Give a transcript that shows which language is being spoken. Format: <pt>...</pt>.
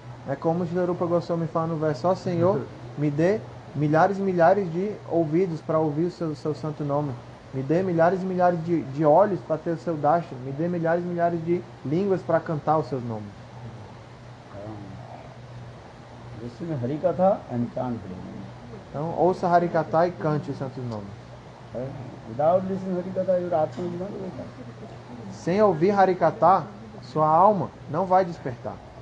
<pt>É como o Srila Rupa Goswami fala no verso: ó Senhor, me dê milhares e milhares de ouvidos para ouvir o seu santo nome, me dê milhares e milhares de olhos para ter o seu dasha, me dê milhares e milhares de línguas para cantar os seus nomes.</pt> <en>Listen Harikatha and chant Harinam.</en> <pt>Então, ouça Harikatha e cante os santos nomes.</pt> <en>Without listening Harikatha, your atma will not wake up.</en> <pt>Sem ouvir Harikatha, sua alma não vai despertar.</pt>